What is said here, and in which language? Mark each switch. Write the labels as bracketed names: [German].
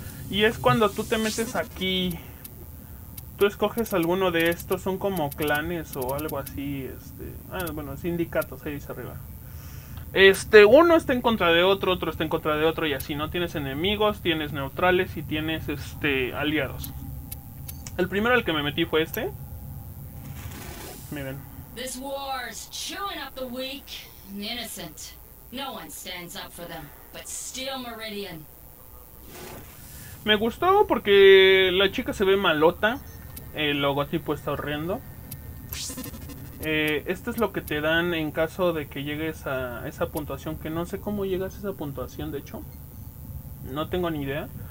[Spanish] Y es cuando tú te metes aquí, tú escoges alguno de estos, son como clanes o algo así, sindicatos, ahí dice arriba. Uno está en contra de otro, otro está en contra de otro y así, ¿no? Tienes enemigos, tienes neutrales y tienes, aliados. El primero al que me metí fue este. Miren. [English] This war is chewing up the weak and innocent. No one stands up for them, but Steel Meridian. [Spanish] Me gustó porque la chica se ve malota. El logotipo está horrendo. Esto es lo que te dan en caso de que llegues a esa puntuación. Que no sé cómo llegas a esa puntuación, de hecho. No tengo ni idea.